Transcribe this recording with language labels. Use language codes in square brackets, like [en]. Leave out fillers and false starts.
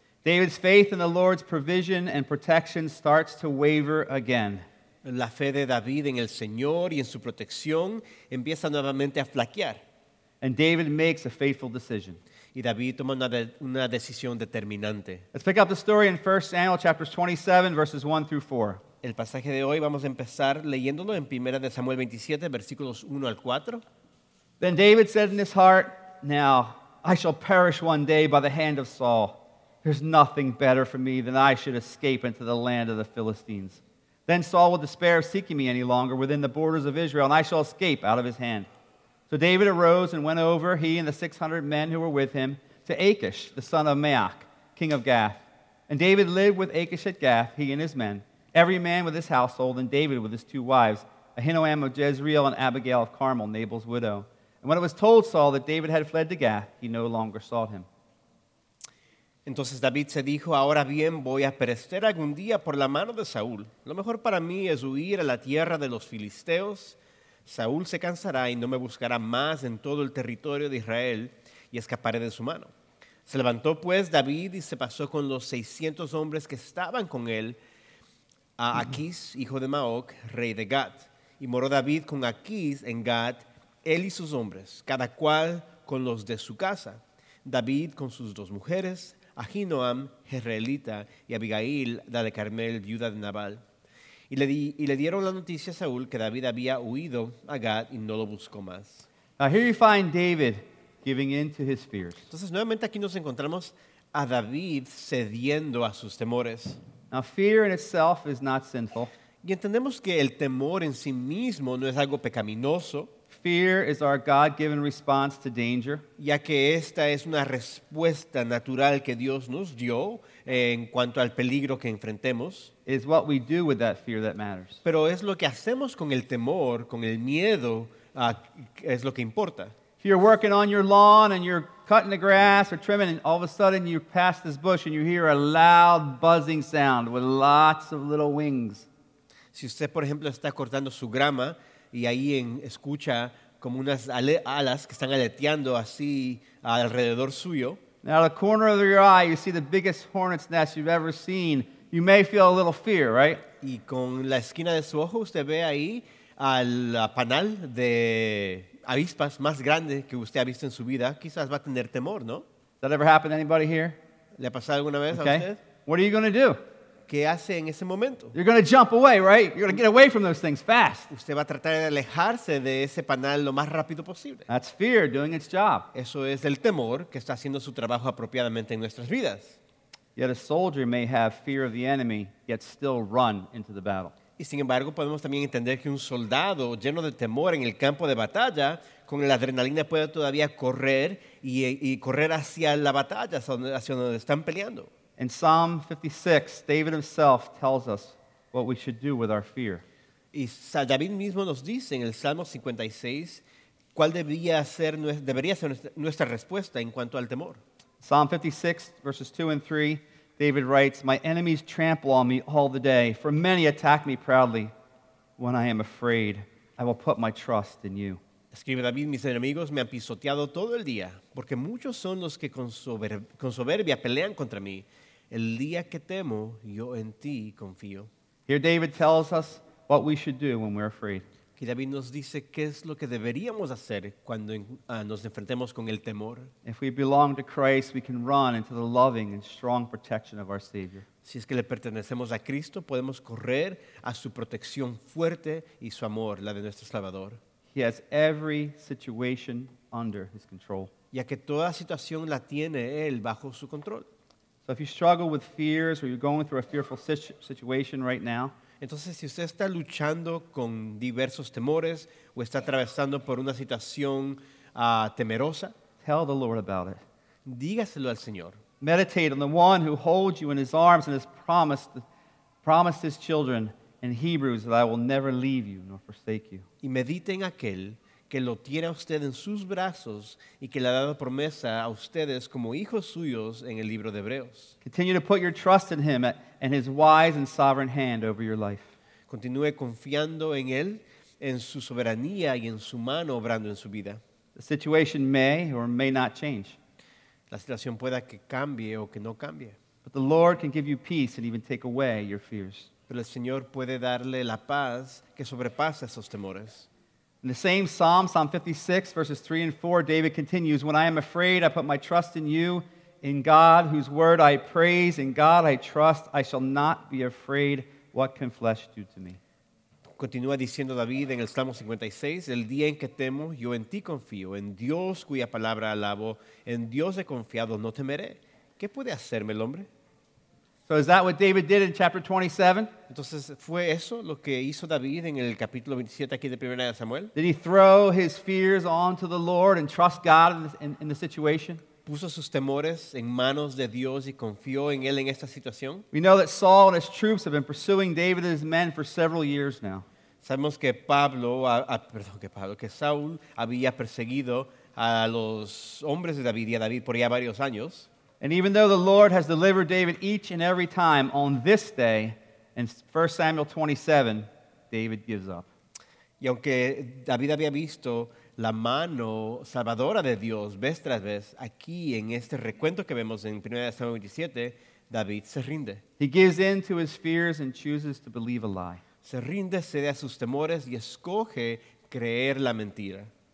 [en] David's faith in the Lord's provision and protection starts to waver again. [es] La fe de David en el Señor y en su protección empieza nuevamente a flaquear. [en] And David makes a faithful decision. [es] Y David toma una decisión determinante. [en] Let's pick up the story in 1 Samuel chapters 27 verses 1 through 4. [es] El pasaje de hoy vamos a empezar leyéndolo en 1 Samuel 27 versículos 1 al 4. [en] Then David said in his heart, "Now I shall perish one day by the hand of Saul. There's nothing better for me than I should escape into the land of the Philistines. Then Saul will despair of seeking me any longer within the borders of Israel, and I shall escape out of his hand." So David arose and went over, he and the 600 men who were with him, to Achish, the son of Maach, king of Gath. And David lived with Achish at Gath, he and his men, every man with his household, and David with his two wives, Ahinoam of Jezreel and Abigail of Carmel, Nabal's widow. And when it was told Saul that David had fled to Gath, he no longer sought him. [es] Entonces David se dijo, ahora bien, voy a perecer algún día por la mano de Saúl. Lo mejor para mí es huir a la tierra de los filisteos. Saúl se cansará y no me buscará más en todo el territorio de Israel y escaparé de su mano. Se levantó pues David y se pasó con los 600 hombres que estaban con él a Aquís, hijo de Maoc, rey de Gat. Y moró David con Aquís en Gat, él y sus hombres, cada cual con los de su casa. David con sus dos mujeres, Ahinoam, jezreelita, y Abigail, la de Carmel, viuda de Nabal. Y le dieron la noticia a Saúl que David había huido a Gat y no lo buscó más. [en] Now here you find David giving in to his fears. [es] Entonces nuevamente aquí nos encontramos a David cediendo a sus temores. [en] Now fear in itself is not sinful. [es] Y entendemos que el temor en sí mismo no es algo pecaminoso. [en] Fear is our God-given response to danger. [es] Ya que esta es una respuesta natural que Dios nos dio en cuanto al peligro que enfrentemos. [en] It's what we do with that fear that matters. [es] Pero es lo que hacemos con el temor, con el miedo, es lo que importa. [en] If you're working on your lawn and you're cutting the grass or trimming, and all of a sudden you pass this bush and you hear a loud buzzing sound with lots of little wings. [es] Si usted, por ejemplo, está cortando su grama, y ahí escucha como unas alas que están aleteando así alrededor suyo. [en] Now at the corner of your eye, you see the biggest hornet's nest you've ever seen. You may feel a little fear, right? [es] Y con la esquina de su ojo, usted ve ahí al panal de avispas más grande que usted ha visto en su vida. Quizás va a tener temor, ¿no? [en] Has that ever happened to anybody here? [es] ¿Le ha pasado alguna vez a usted? [en] What are you going to do? [es] ¿Qué hace en ese momento? [en] You're going to jump away, right? You're going to get away from those things fast. [es] Usted va a tratar de alejarse de ese panal lo más rápido posible. [en] That's fear doing its job. [es] Eso es el temor que está haciendo su trabajo apropiadamente en nuestras vidas. [en] Yet a soldier may have fear of the enemy, yet still run into the battle. [es] Y sin embargo, podemos también entender que un soldado lleno de temor en el campo de batalla, con la adrenalina puede todavía correr y correr hacia la batalla, hacia donde están peleando. [en] In Psalm 56, David himself tells us what we should do with our fear. [es] Y David mismo nos dice en el Salmo 56 cuál debería ser nuestra respuesta en cuanto al temor. [en] Psalm 56, verses 2 and 3, David writes, "My enemies trample on me all the day, for many attack me proudly. When I am afraid, I will put my trust in you." [es] Escribe David, mis enemigos me han pisoteado todo el día, porque muchos son los que con soberbia pelean contra mí. El día que temo, yo en ti confío. [en] Here David tells us what we should do when we're afraid. [es] Aquí David nos dice qué es lo que deberíamos hacer cuando nos enfrentemos con el temor. [en] If we belong to Christ, we can run into the loving and strong protection of our Savior. [es] Si es que le pertenecemos a Cristo, podemos correr a su protección fuerte y su amor, la de nuestro Salvador. [en] He has every situation under his control. [es] Ya que toda situación la tiene él bajo su control. [en] So if you struggle with fears or you're going through a fearful situation right now, [es] entonces si usted está luchando con diversos temores o está atravesando por una situación temerosa, [en] tell the Lord about it. [es] Dígaselo al Señor. [en] Meditate on the one who holds you in his arms and has promised his children in Hebrews that I will never leave you nor forsake you. [es] Y medite en aquel que lo tiene a usted en sus brazos y que le ha dado promesa a ustedes como hijos suyos en el libro de Hebreos. [en] Continue to put your trust in him and his wise and sovereign hand over your life. [es] Continúe confiando en él, en su soberanía y en su mano obrando en su vida. [en] The situation may or may not change. [es] La situación pueda que cambie o que no cambie. [en] But the Lord can give you peace and even take away your fears. [es] Pero el Señor puede darle la paz que sobrepasa esos temores. [en] In the same Psalm, Psalm 56, verses 3 and 4, David continues, "When I am afraid, I put my trust in you, in God, whose word I praise, in God I trust. I shall not be afraid. What can flesh do to me?" [es] Continúa diciendo David en el Salmo 56, "El día en que temo, yo en ti confío, en Dios cuya palabra alabo, en Dios he confiado, no temeré. ¿Qué puede hacerme el hombre?" [en] So is that what David did in chapter 27? [es] Entonces, ¿fue eso lo que hizo David en el capítulo 27 aquí de Primera de Samuel? [en] Did he throw his fears onto the Lord and trust God in the situation? [es] ¿Puso sus temores en manos de Dios y confió en él en esta situación? [en] We know that Saul and his troops have been pursuing David and his men for several years now. [es] Sabemos que Saul había perseguido a los hombres de David y a David por ya varios años. [en] And even though the Lord has delivered David each and every time, on this day, in 1 Samuel 27, David gives up. [es] Y aunque David había visto la mano salvadora de Dios vez tras vez, aquí en este recuento que vemos en 1 Samuel 27, David se rinde. [en] He gives in to his fears and chooses to believe a lie. [es] Se rinde, cede a sus temores y escoge creer la mentira.